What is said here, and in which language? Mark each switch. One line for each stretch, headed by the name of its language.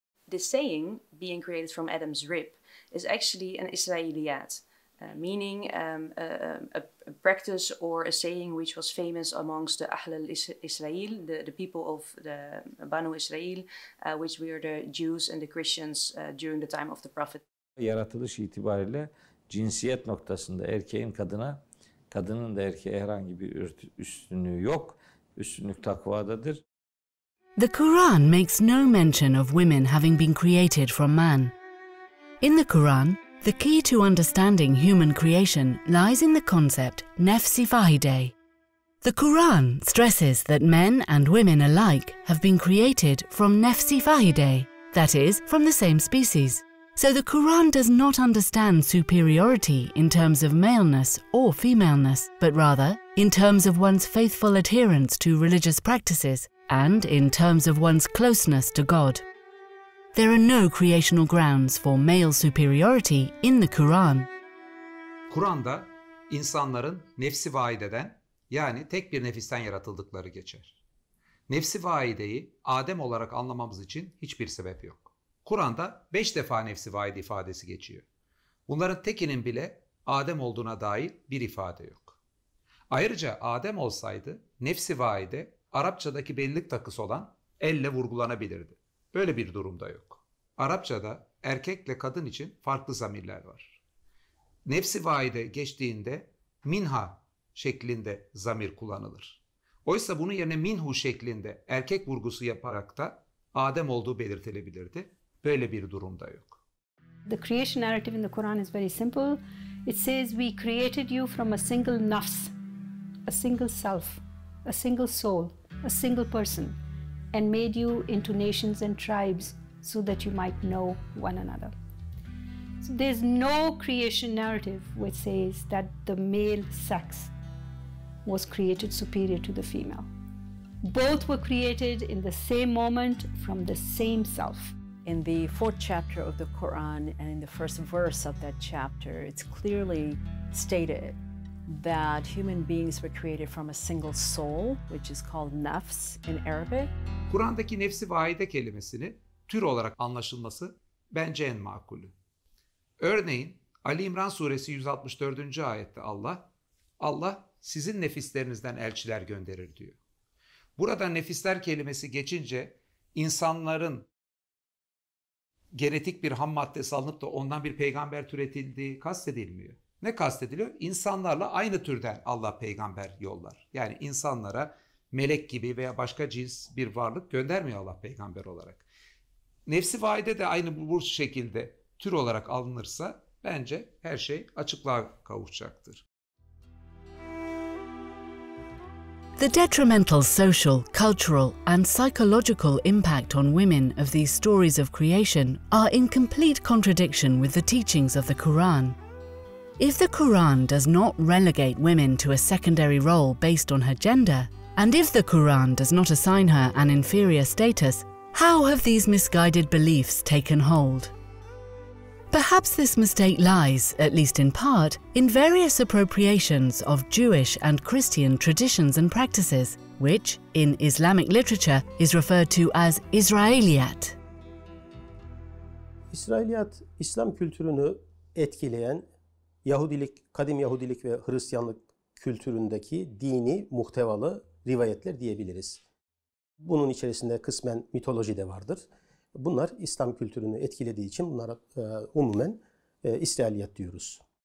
English: The saying, being created from Adam's rib, is actually an Israeliyat, meaning a practice or a saying which was famous amongst the Ahl al-Israel, the people of the Banu Israel, which were the Jews and the Christians during the time of the Prophet.
Turkish: Yaratılış itibariyle cinsiyet noktasında erkeğin kadına, kadının da erkeğe herhangi bir üstünlüğü yok. Üstünlük takvadadır.
English: The Quran makes no mention of women having been created from man. In the Quran, the key to understanding human creation lies in the concept nafsi vahideh. The Quran stresses that men and women alike have been created from nafsi vahideh, that is, from the same species. So the Quran does not understand superiority in terms of maleness or femaleness, but rather in terms of one's faithful adherence to religious practices and in terms of one's closeness to God. There are no creational grounds for male superiority in the Quran.
Turkish: Kur'an'da insanların nefsi vahideden, yani tek bir nefisten yaratıldıkları geçer. Nefsi vahideyi Adem olarak anlamamız için hiçbir sebep yok. Kur'an'da 5 defa nefsi vahide ifadesi geçiyor. Bunların tekinin bile Adem olduğuna dair bir ifade yok. Ayrıca Adem olsaydı nefsi vahide Arapçadaki benlik takısı olan elle vurgulanabilirdi. Böyle bir durum da yok. Arapçada erkekle kadın için farklı zamirler var. Nefsi vaide geçtiğinde minha şeklinde zamir kullanılır. Oysa bunun yerine minhu şeklinde erkek vurgusu yaparak da Adem olduğu belirtilebilirdi. Böyle bir durum da yok.
English: The creation narrative in the Quran is very simple. It says we created you from a single nafs, a single self, a single soul, a single person, and made you into nations and tribes so that you might know one another. So there's no creation narrative which says that the male sex was created superior to the female. Both were created in the same moment from the same self. In the fourth chapter of the Quran and in the first verse of that chapter, it's clearly stated that human beings were created from a single soul, which is called nafs in Arabic.
Turkish: Kur'an'daki nefsi vahide kelimesini tür olarak anlaşılması bence en makulü. Örneğin Ali İmran suresi 164. ayette Allah sizin nefislerinizden elçiler gönderir diyor. Burada nefisler kelimesi geçince insanların genetik bir ham maddesi alınıp da ondan bir peygamber türetildiği kastedilmiyor. Ne kastediliyor? İnsanlarla aynı türden Allah peygamber yollar. Yani insanlara melek gibi veya başka cins bir varlık göndermiyor Allah peygamber olarak. Nefsi vaide de aynı bu şekilde tür olarak alınırsa bence her şey açıklığa kavuşacaktır.
English: The detrimental social, cultural, and psychological impact on women of these stories of creation are in complete contradiction with the teachings of the Quran. If the Quran does not relegate women to a secondary role based on her gender, and if the Quran does not assign her an inferior status, how have these misguided beliefs taken hold? Perhaps this mistake lies, at least in part, in various appropriations of Jewish and Christian traditions and practices, which, in Islamic literature, is referred to as İsrailiyat.
Turkish: İsrailiyat, İslam kültürünü etkileyen Yahudilik, kadim Yahudilik ve Hristiyanlık kültüründeki dini muhtevalı rivayetler diyebiliriz. Bunun içerisinde kısmen mitoloji de vardır. Bunlar İslam kültürünü etkilediği için bunlara umumen İsrailiyat diyoruz.